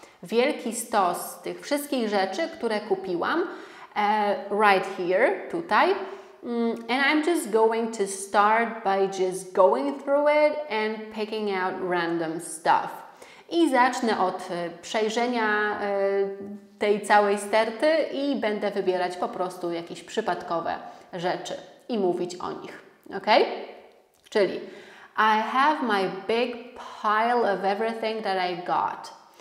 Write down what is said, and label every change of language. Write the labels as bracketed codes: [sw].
[pl] Wielki stos tych wszystkich rzeczy, które kupiłam. [en] Right here, [pl] tutaj. [en] And I'm just going to start by just going through it and picking out random stuff. [pl] I zacznę od przejrzenia tej całej sterty i będę wybierać po prostu jakieś przypadkowe rzeczy i mówić o nich. Ok? Czyli [en] I have my big pile of everything that I got.